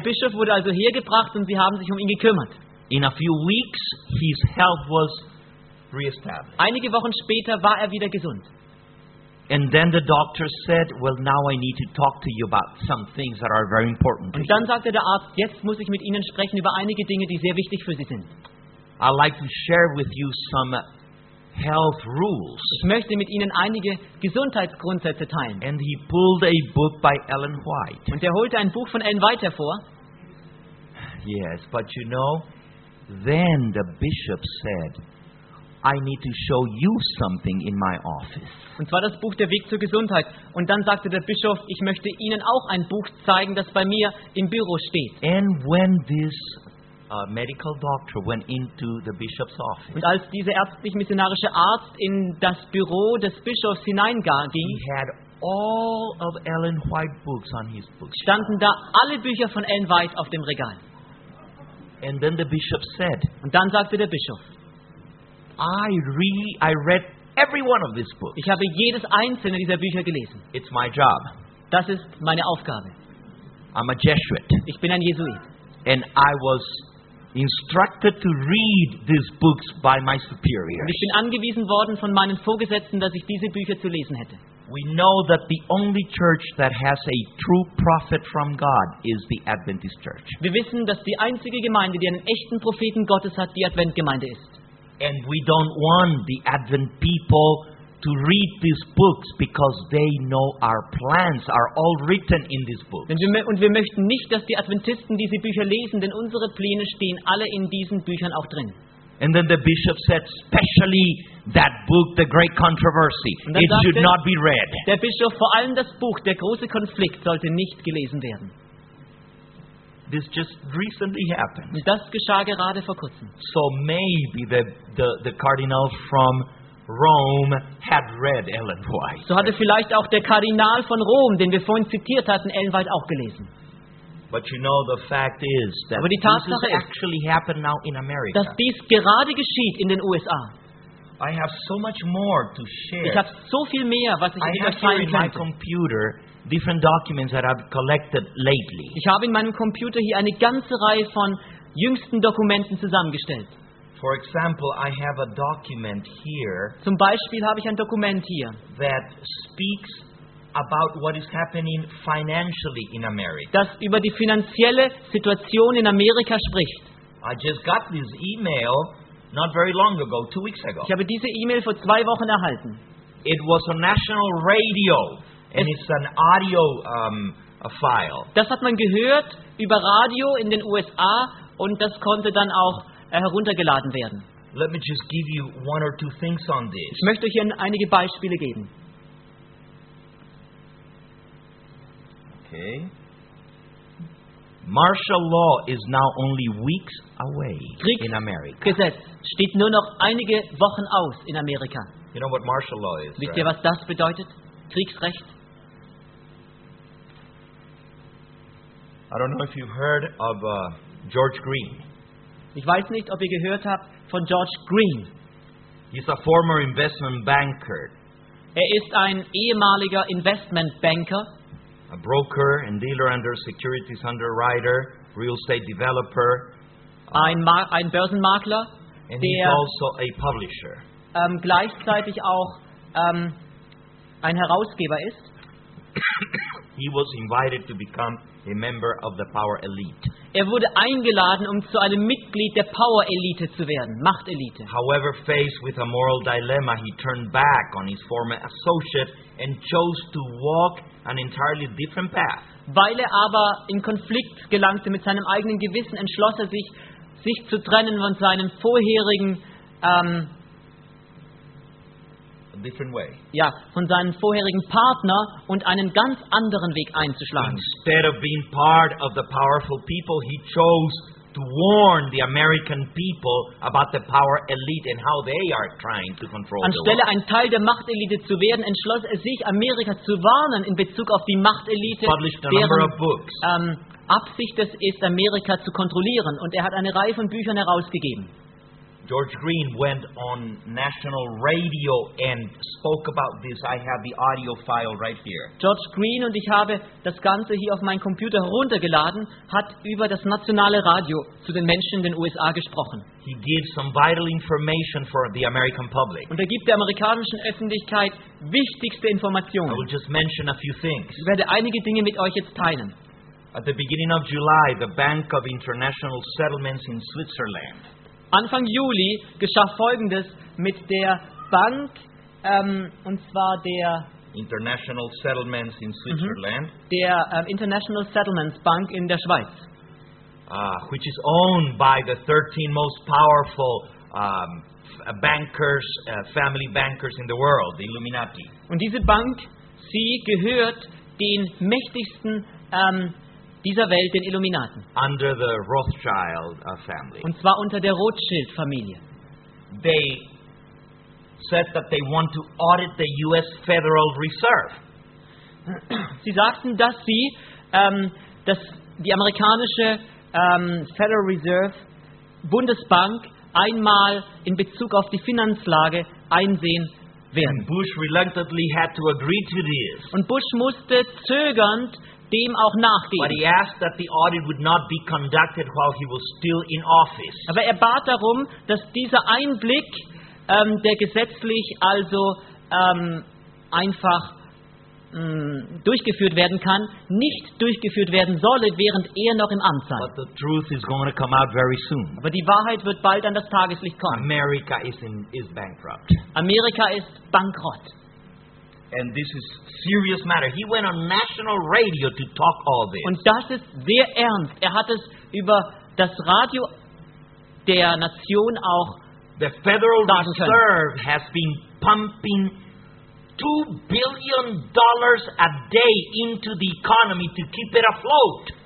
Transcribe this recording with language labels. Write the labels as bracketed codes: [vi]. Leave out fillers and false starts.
[de] Der Bischof wurde also hergebracht und sie haben sich um ihn gekümmert. [en] In a few weeks his health was reestablished. [de] Einige Wochen später war er wieder gesund. [en] And then the doctor said, "Well, now I need to talk to you about some things that are very important." [de] Und dann sagte der Arzt, jetzt muss ich mit Ihnen sprechen über einige Dinge, die sehr wichtig für Sie sind. [en] I'd like to share with you some health rules. [de] Ich möchte mit Ihnen einige Gesundheitsgrundsätze teilen. [en] And he pulled a book by Ellen White. [de] Und er holte ein Buch von Ellen White hervor. [en] Yes, but you know, then the bishop said, "I need to show you something in my office." [de] Und zwar das Buch Der Weg zur Gesundheit. Und dann sagte der Bischof, ich möchte Ihnen auch ein Buch zeigen, das bei mir im Büro steht. [en] And when this medical doctor went into the bishop's office. [de] Und als dieser ärztlich missionarische Arzt in das Büro des Bischofs hineinging, [en] he had all of Ellen White books on his bookshelf. [de] Standen da alle Bücher von Ellen White auf dem Regal. [en] And then the bishop said, [de] und dann sagte der Bischof, [en] I read every one of these books. [de] Ich habe jedes einzelne dieser Bücher gelesen. [en] It's my job. [de] Das ist meine Aufgabe. [en] I'm a Jesuit. [de] Ich bin ein Jesuit. [en] And I was instructed to read these books by my superiors. [de] Ich bin angewiesen worden von meinen Vorgesetzten, dass ich diese Bücher zu lesen hätte. [en] We know that the only church that has a true prophet from God is the Adventist Church. [de] Wir wissen, dass die einzige Gemeinde, die einen echten Propheten Gottes hat, die Adventgemeinde ist. [en] And we don't want the Advent people to read these books because they know our plans are all written in these books. [de] Und wir möchten nicht, dass die Adventisten diese Bücher lesen, denn unsere Pläne stehen alle in diesen Büchern auch drin. [en] And then the bishop said, "Especially that book, The Great Controversy, it should not be read." [de] Der Bischof, vor allem das Buch Der große Konflikt sollte nicht gelesen werden. [en] This just recently happened. [de] Das geschah gerade vor kurzem. [en] So maybe the cardinal from Rome had read Ellen White. [de] So hatte vielleicht auch der Kardinal von Rom, den wir vorhin zitiert hatten, Ellen White auch gelesen. [en] But you know, the fact is that [de] aber die Tatsache [en] this actually happened now in America. [de] Dass dies gerade geschieht in den USA. [en] I have so much more to share. [de] Ich habe so viel mehr, was ich hier teilen kann. [en] My computer different documents that I've collected lately. [de] Ich habe in meinem Computer hier eine ganze Reihe von jüngsten Dokumenten zusammengestellt. [en] For example, I have a document here. [de] Zum Beispiel habe ich ein Dokument hier. [en] That speaks about what is happening financially in America. [de] Das über die finanzielle Situation in Amerika spricht. [en] I just got this email not very long ago, 2 weeks ago. [de] Ich habe diese E-Mail vor 2 Wochen erhalten. [en] It was on national radio. And it's an audio file. [de] Das hat man gehört über Radio in den USA und das konnte dann auch heruntergeladen werden. [en] Let me just give you one or two things on this. [de] Ich möchte euch hier einige Beispiele geben. [en] Okay. Martial law is now only weeks away in America. [de] Kriegsgesetz steht nur noch einige Wochen aus in Amerika. [en] You know what martial law is, [de] wisst ihr, was das bedeutet? Kriegsrecht. [en] I don't know if you've heard of George Green. [de] Ich weiß nicht, ob ihr gehört habt von George Green. [en] He's a former investment banker. [de] Er ist ein ehemaliger Investmentbanker. [en] A broker and dealer under securities underwriter, real estate developer, [de] ein Börsenmakler, [en] and he's also a publisher. [de] Gleichzeitig auch ein Herausgeber ist. [en] He was invited to become a member of the power elite. [de] Er wurde eingeladen, um zu einem Mitglied der Power Elite zu werden, Machtelite. [en] However, faced with a moral dilemma, he turned back on his former associate and chose to walk an entirely different path. [de] Weil er aber in Konflikt gelangte mit seinem eigenen Gewissen, entschloss er sich, sich zu trennen von seinem vorherigen von seinem vorherigen Partner und einen ganz anderen Weg einzuschlagen. [en] Instead of being part of the powerful people, he chose to warn the American people about the power elite and how they are trying to control the world. [de] Anstelle ein Teil der Machtelite zu werden, entschloss er sich, Amerika zu warnen in Bezug auf die Machtelite, deren Absicht es ist, Amerika zu kontrollieren. Und er hat eine Reihe von Büchern herausgegeben. [en] George Green went on national radio and spoke about this. I have the audio file right here. [de] George Green und ich habe das Ganze hier auf meinen Computer heruntergeladen, hat über das nationale Radio zu den Menschen in den USA gesprochen. [en] He gives some vital information for the American public. [de] Und er gibt der amerikanischen Öffentlichkeit wichtigste Informationen. [en] I will just mention a few things. [de] Ich werde einige Dinge mit euch jetzt teilen. [en] At the beginning of July, the Bank of International Settlements in Switzerland. [de] Anfang Juli geschah Folgendes mit der Bank, und zwar der [en] International Settlements in Switzerland. [de] Der International Settlements Bank in der Schweiz. [en] Which is owned by the 13 most powerful bankers, family bankers in the world, the Illuminati. [de] Und diese Bank, sie gehört den mächtigsten dieser Welt, den Illuminaten. [en] Under the Rothschild family. [de] Und zwar unter der Rothschild-Familie. [en] They said that they want to audit the US Federal Reserve. [de] Sie sagten, dass sie dass die amerikanische Federal Reserve Bundesbank einmal in Bezug auf die Finanzlage einsehen werden. [en] And Bush reluctantly had to agree to this. [de] Und Bush musste zögernd dem auch nachgeben. [en] But he asked that the audit would not be conducted while he was still in office. [de] Aber er bat darum, dass dieser Einblick, der gesetzlich also einfach durchgeführt werden kann, nicht durchgeführt werden solle, während er noch im Amt sei. [en] But the truth is going to come out very soon. [de] Aber die Wahrheit wird bald an das Tageslicht kommen. [en] America is bankrupt. [de] Amerika ist bankrott. [en] And this is serious matter. He went on national radio to talk all this. [de] Und das ist sehr ernst. Er hat es über das Radio der Nation auch. [en] The Federal Reserve has been pumping $2 billion a day into the economy to keep it afloat.